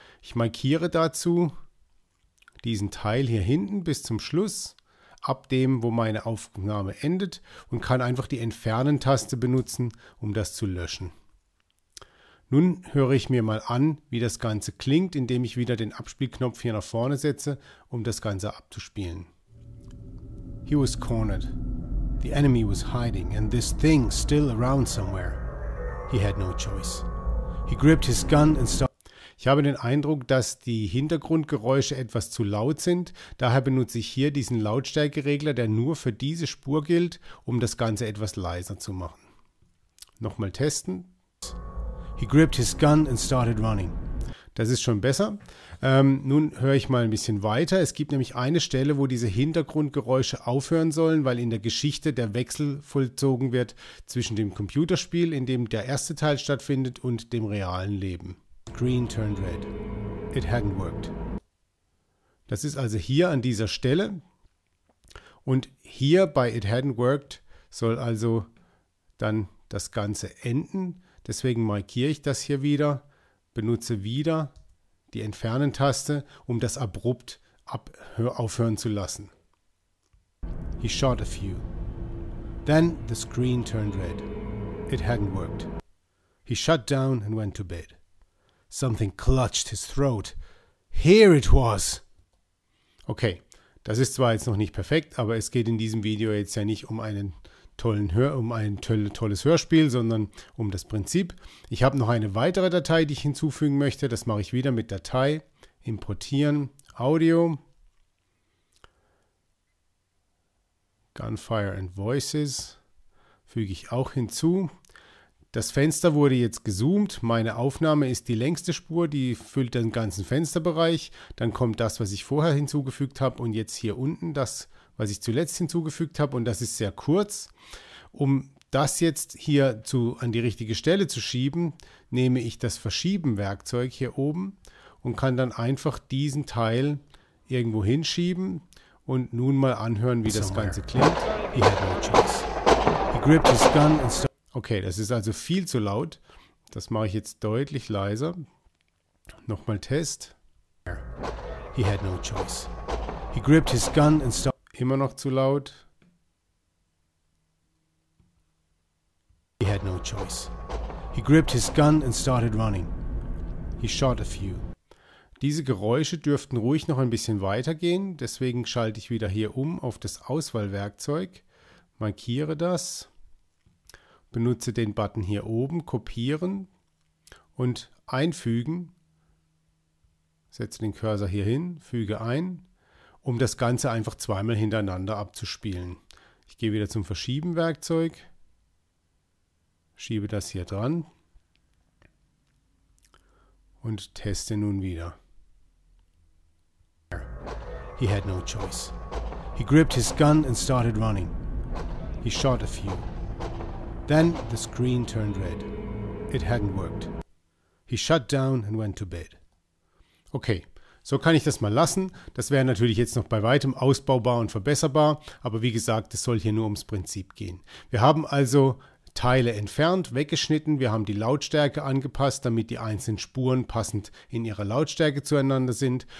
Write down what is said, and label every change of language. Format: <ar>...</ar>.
<de>Ich markiere dazu diesen Teil hier hinten bis zum Schluss, ab dem, wo meine Aufnahme endet, und kann einfach die Entfernen-Taste benutzen, um das zu löschen. Nun höre ich mir mal an, wie das Ganze klingt, indem ich wieder den Abspielknopf hier nach vorne setze, um das Ganze abzuspielen.</de> <en>He was cornered. The enemy was hiding, and this thing still around somewhere. He had no choice. He gripped his gun and started.</en> <de>Ich habe den Eindruck, dass die Hintergrundgeräusche etwas zu laut sind. Daher benutze ich hier diesen Lautstärkeregler, der nur für diese Spur gilt, um das Ganze etwas leiser zu machen. Nochmal testen.</de> <en>He gripped his gun and started running.</en> <de>Das ist schon besser. Nun höre ich mal ein bisschen weiter. Es gibt nämlich eine Stelle, wo diese Hintergrundgeräusche aufhören sollen, weil in der Geschichte der Wechsel vollzogen wird zwischen dem Computerspiel, in dem der erste Teil stattfindet, und dem realen Leben. Green turned red. It hadn't worked. Das ist also hier an dieser Stelle. Und hier bei It hadn't worked soll also dann das Ganze enden. Deswegen markiere ich das hier wieder, benutze wieder die Entfernen-Taste, um das abrupt aufhören zu lassen.</de> <en>He shot a few. Then the screen turned red. It hadn't worked. He shut down and went to bed. Something clutched his throat. Here it was!</en> <de>Okay, das ist zwar jetzt noch nicht perfekt, aber es geht in diesem Video jetzt ja nicht um einen tolles Hörspiel, sondern um das Prinzip. Ich habe noch eine weitere Datei, die ich hinzufügen möchte. Das mache ich wieder mit Datei, Importieren, Audio, Gunfire and Voices, füge ich auch hinzu. Das Fenster wurde jetzt gezoomt. Meine Aufnahme ist die längste Spur, die füllt den ganzen Fensterbereich. Dann kommt das, was ich vorher hinzugefügt habe, und jetzt hier unten das, was ich zuletzt hinzugefügt habe, und das ist sehr kurz. Um das jetzt hier an die richtige Stelle zu schieben, nehme ich das Verschieben-Werkzeug hier oben und kann dann einfach diesen Teil irgendwo hinschieben und nun mal anhören, wie das Ganze klingt.</de> <en>He had no choice. He gripped his gun and started.</en> <de>Okay, das ist also viel zu laut. Das mache ich jetzt deutlich leiser.</de> <en>Nochmal Test. He had no choice. He gripped his gun and started. Immer noch zu laut. He had no choice. He gripped his gun and started running. He shot a few.</en> <de>Diese Geräusche dürften ruhig noch ein bisschen weitergehen. Deswegen schalte ich wieder hier um auf das Auswahlwerkzeug. Markiere das. Benutze den Button hier oben. Kopieren. Und einfügen. Setze den Cursor hier hin. Füge ein. Um das Ganze einfach zweimal hintereinander abzuspielen. Ich gehe wieder zum Verschieben-Werkzeug, schiebe das hier dran und teste nun wieder.</de> <en>He had no choice. He gripped his gun and started running. He shot a few. Then the screen turned red. It hadn't worked. He shut down and went to bed. Okay.</en> <de>So kann ich das mal lassen. Das wäre natürlich jetzt noch bei weitem ausbaubar und verbesserbar. Aber wie gesagt, es soll hier nur ums Prinzip gehen. Wir haben also Teile entfernt, weggeschnitten. Wir haben die Lautstärke angepasst, damit die einzelnen Spuren passend in ihrer Lautstärke zueinander sind.</de>